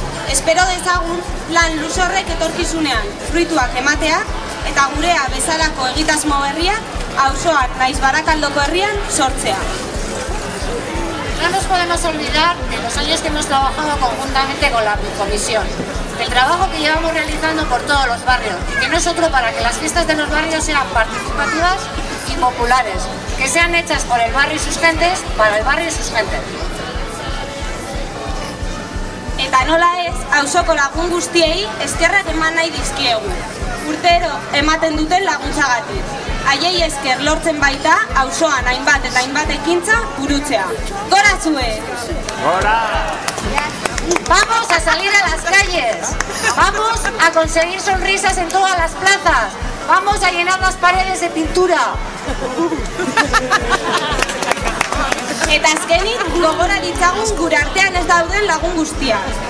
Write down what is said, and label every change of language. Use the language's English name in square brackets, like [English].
[Basque] Espero dezagun lan luze horrek etorkizunean fruituak ematea eta gurea bezalako egitasmo berria auzoan naiz Barakaldoko herrian sortzea. [Spanish] No nos podemos olvidar de los años que hemos trabajado conjuntamente con la comisión. El trabajo que llevamos realizando por todos los barrios, que no es otro para que las fiestas de los barrios sean participativas y populares, que sean hechas por el barrio y sus gentes, para el barrio y sus gentes. [Basque] Eta nola ez, auzoko lagun guztiei eskerrak eman nahi dizkiegu. Urtero ematen duten laguntzagatik. Haiei esker lortzen baita auzoan hainbat eta hainbat ekintza burutzea. Gora zue! Gora! [Spanish] Vamos a salir a las calles. Vamos a conseguir sonrisas en todas las plazas. Vamos a llenar las paredes de pintura. [Basque] Eta azkenik, gogora ditzagun gure artean ez dauden lagun guztiak.